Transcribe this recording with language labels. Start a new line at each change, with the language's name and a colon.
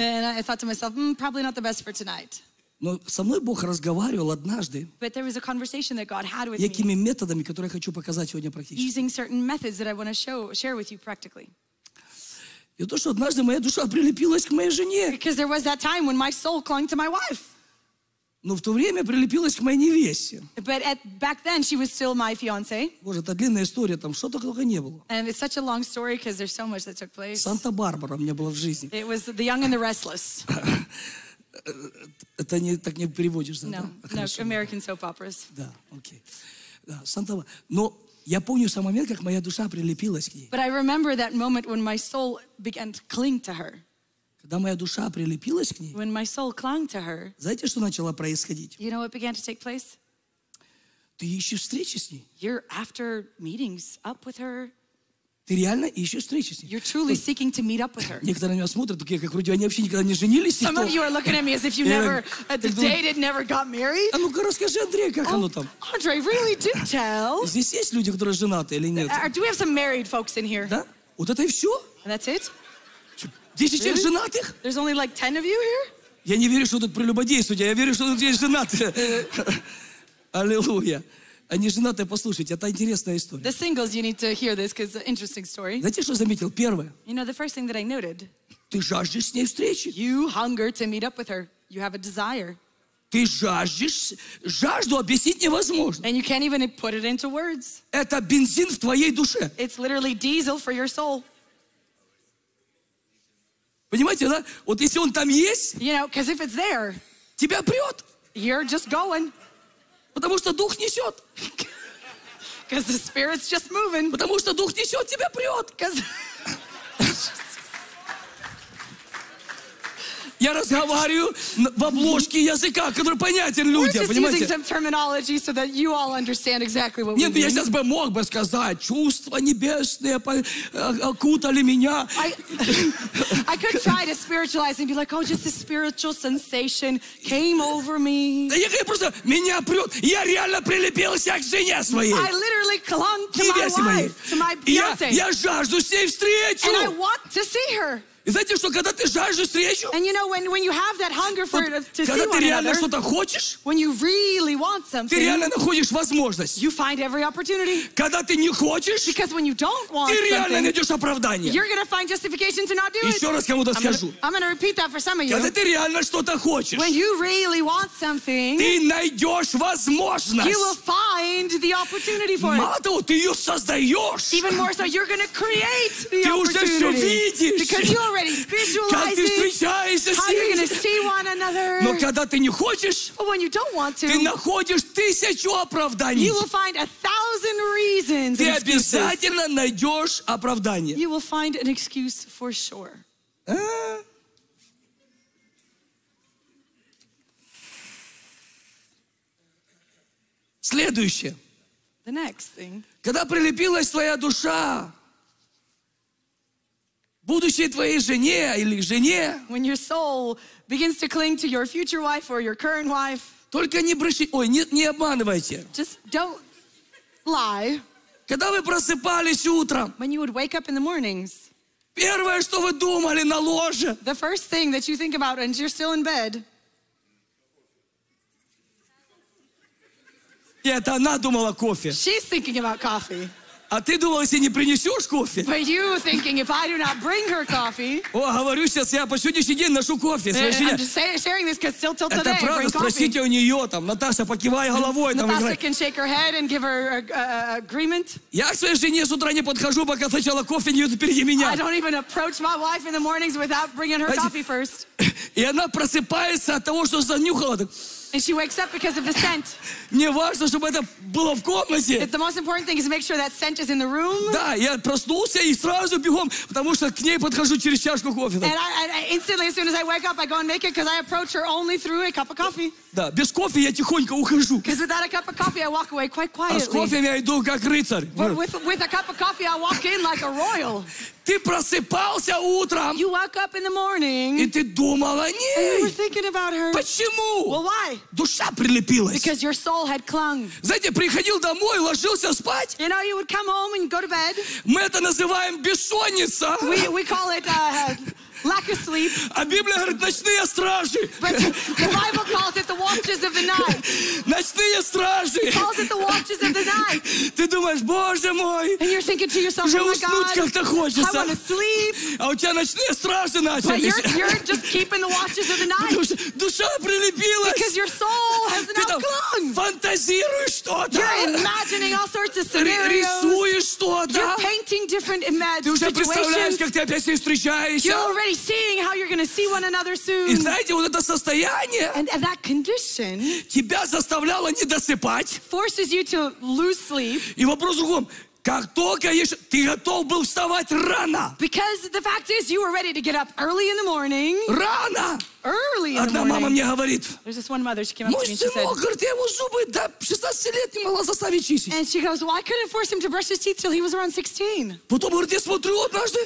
English: And I thought to myself, probably not the best for tonight.
Russian: Но со мной Бог разговаривал однажды.
English: But there was a conversation that God had with
Russian: якими
English: me.
Russian: Методами, которые я хочу показать сегодня практически.
English: Using certain methods that I want to share with you practically.
Russian: И то, что однажды моя душа прилепилась к моей жене.
English: Because there was that time when my soul clung to my wife.
Russian: Но в то время прилепилась к моей невесте.
English: But back then she was still my fiance.
Russian: Боже, это длинная история, там что-то только не было.
English: And it's such a long story because there's so much that took place.
Russian: Санта-Барбара у меня была в жизни.
English: It was the young and the restless.
Russian: Это не так не переводишь, да?
English: No, American soap operas.
Russian: Да, окей. Да, Санта-Барбара. Но я помню сам момент, как моя душа прилепилась к ней.
English: But I remember that moment when my soul began to cling to her.
Russian: Когда моя душа прилепилась к ней,
English: When my soul clung to her,
Russian: знаете, что начало происходить?
English: You know what began to take place?
Russian: Ты ищешь встречи с ней.
English: You're after meetings up with her.
Russian: Ты реально ищешь встречи с ней.
English: You're truly seeking to meet up with her.
Russian: Некоторые на меня смотрят, такие, как вроде они вообще никогда не женились.
English: Some of you are looking at me as if you never dated, never got married.
Russian: А ну-ка расскажи, Андрей, как оно там?
English: Andrey, really do tell.
Russian: Здесь есть люди, которые женаты или нет?
English: Do we have some married folks in here?
Russian: Да? Вот это и все?
English: And that's it?
Russian: 10 человек женатых?
English: There's only like 10 of you here?
Russian: Я не верю, что тут прелюбодействуют, я верю, что тут есть женатые. Аллилуйя. Они женаты, послушайте, это интересная история.
English: The singles, you need to hear this, because it's an interesting story.
Russian: Знаете, что заметил? Первое.
English: You know, the first thing that I noted.
Russian: Ты жаждешь с ней встречи.
English: You hunger to meet up with her. You have a desire.
Russian: Ты жаждешь, жажду объяснить невозможно.
English: And you can't even put it into words.
Russian: Это бензин в твоей душе.
English: It's literally diesel for your soul.
Russian: Понимаете, да? Вот если он там есть,
English: you know, 'cause if it's there,
Russian: тебя прет.
English: You're just going.
Russian: Потому что дух несет.
English: 'Cause the spirit's just moving.
Russian: Потому что дух несет, тебя прет.
English: 'Cause...
Russian: разговариваю в обложке языка, который понятен людям, понимаете?
English: We're just using some terminology so that you all understand exactly what we mean.
Russian: Я сейчас бы мог бы сказать, чувства небесные окутали меня.
English: I could try to spiritualize and be like, oh, just a spiritual sensation came over me.
Russian: Я просто, меня прет, я реально прилепился к жене своей.
English: I literally clung to my wife, to my fiance.
Russian: Я жажду с ней встречу.
English: And I want to see her.
Russian: И знаете, что когда ты жаждешь встречу,
English: and you know, when you have that hunger for it, to
Russian: когда ты реально что-то хочешь,
English: when you really want something,
Russian: ты реально находишь возможность.
English: You find every opportunity.
Russian: Когда ты не хочешь,
English: because when you don't want
Russian: ты реально
English: something,
Russian: найдешь оправдание.
English: You're gonna find justification to not do it.
Russian: Еще раз кому-то скажу.
English: I'm gonna repeat that for some of you.
Russian: Когда ты реально что-то хочешь,
English: when you really want something,
Russian: ты найдешь возможность.
English: You will find the opportunity for it.
Russian: Мало того, ты ее создаешь.
English: Even more so, you're gonna create the
Russian: ты Ты уже все видишь.
English: Because you already visualize it, how you're going to see one another.
Russian: Но когда ты не хочешь,
English: but when you don't want to,
Russian: ты находишь тысячу оправданий.
English: You will find a thousand reasons.
Russian: Ты обязательно найдешь оправдание.
English: You will find an excuse for sure.
Russian: Следующее.
English: The next thing.
Russian: Когда прилепилась твоя душа, будущей твоей жене или жене.
English: When your soul begins to cling to your future wife or your current wife.
Russian: Только не брешите, ой, не обманывайте.
English: Just don't lie.
Russian: Когда вы просыпались утром.
English: When you would wake up in the mornings.
Russian: Первое, что вы думали на ложе.
English: The first thing that you think about and you're still in bed.
Russian: И это она думала кофе.
English: She's thinking about coffee.
Russian: А ты думал, если не принесешь кофе?
English: But you thinking if I do not bring her coffee?
Russian: О, говорю сейчас, я по сегодняшний день ношу кофе.
English: I'm just sharing this because still today.
Russian: Это правда? Спросите у нее там, Наташа, покивай головой.
English: Natasha can shake her head and give her agreement.
Russian: Я к своей жене с утра не подхожу, пока сначала кофе не идет впереди меня.
English: I don't even approach my wife in the mornings without bringing her coffee first.
Russian: И она просыпается от того, что занюхала.
English: And she wakes up because of the scent.
Russian: Мне важно, чтобы это было в комнате.
English: The most important thing is to make sure that scent is in the room.
Russian: Да, я проснулся и сразу бегом, потому что к ней подхожу через чашку кофе.
English: And I instantly, as soon as I wake up, I go and make it because I approach her only through a cup of coffee.
Russian: Да, без кофе я тихонько ухожу.
English: Because without a cup of coffee, I walk away quite quietly.
Russian: А с кофе я иду как рыцарь.
English: But with a cup of coffee, I walk in like a royal.
Russian: Ты просыпался утром.
English: You woke up in the morning.
Russian: И ты думал о ней.
English: And you were thinking about her.
Russian: Почему?
English: Well, why?
Russian: Душа прилепилась.
English: Because your soul had clung.
Russian: Знаете, приходил домой, ложился спать.
English: You know, you would come home and go to bed.
Russian: Мы это называем бессонница.
English: We call it lack of sleep.
Russian: А Библия говорит, ночные стражи.
English: But the Bible calls it the watches of the night.
Russian: Ночные стражи.
English: It calls it the watches of the night.
Russian: Ты думаешь, Боже мой.
English: And you're thinking to yourself, oh my God.
Russian: Уже уснуть как-то хочется.
English: I want to sleep.
Russian: А у тебя ночные стражи начались.
English: But you're just keeping the watches of the night.
Russian: Потому что душа прилепилась.
English: Because your soul has now clung.
Russian: Фантазируешь что-то.
English: You're imagining all sorts of scenarios.
Russian: Рисуешь что-то.
English: You're painting different
Russian: ты уже представляешь, как ты опять с ней встречаешься.
English: Already seeing how you're going to see one another soon.
Russian: И знаете, вот это состояние
English: and that condition
Russian: тебя заставляло не досыпать.
English: Forces you to lose sleep.
Russian: И вопрос в другом. Как только ты готов был вставать рано.
English: Because the fact is you were ready to get up early in the morning.
Russian: Рано.
English: Early in
Russian: одна
English: the morning.
Russian: Мама мне говорит.
English: There's this one mother, she came up to me and she
Russian: сынок,
English: said,
Russian: говорит, я его зубы до 16 лет не могла заставить чистить.
English: And she goes, well, I couldn't force him to brush his teeth till he was around 16.
Russian: Потом, говорит, я смотрю однажды.